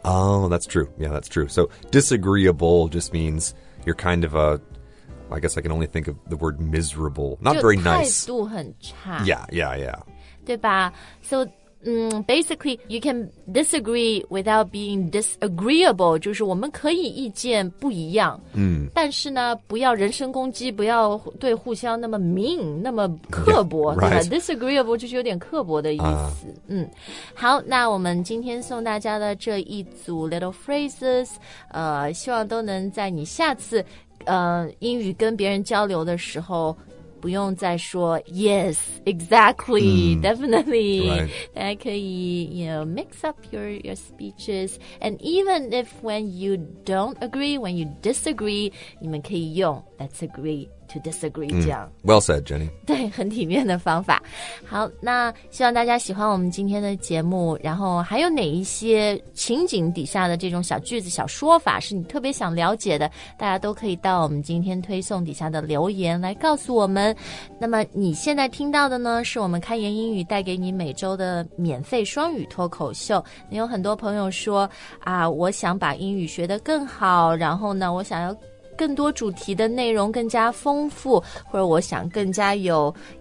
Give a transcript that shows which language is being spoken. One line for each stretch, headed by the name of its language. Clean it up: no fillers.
English: Oh, that's true, yeah, that's true So disagreeable just means you're kind of a I guess I can only think of the word miserable Not very nice
Chinese: 就态度很差
English: Yeah, yeah, yeah
Chinese: 对吧
English: So,basically, you can disagree without being disagreeable.
Chinese: 就是我们可以意见不一样、 mm. 但是呢不要人身攻击不要对互相那么 mean, 那么刻薄
English: yeah,、right.
Chinese: 对吧 Disagreeable 就是有点刻薄的意思、好那我们今天送大家的这一组
English: little phrases,
Chinese: 希望都能在你下次、英语跟别人交流的时候不用再说
English: yes, exactly,、definitely. Right.
Chinese: 大家可以
English: you know, mix up your speeches. And even if when you don't agree, when you disagree,
Chinese: 你们可以用
English: let's agree to disagree,、
Chinese: 这样。
English: Well said, Jenny.
Chinese: 对，很体面的方法。好，那希望大家喜欢我们今天的节目。然后还有哪一些情景底下的这种小句子、小说法是你特别想了解的，大家都可以到我们今天推送底下的留言来告诉我们。那么你现在听到的呢是我们开言英语带给你每周的免费双语脱口秀你有很多朋友说啊，我想把英语学得更好然后呢我想要更多主题的内容更加丰富或者我想更加有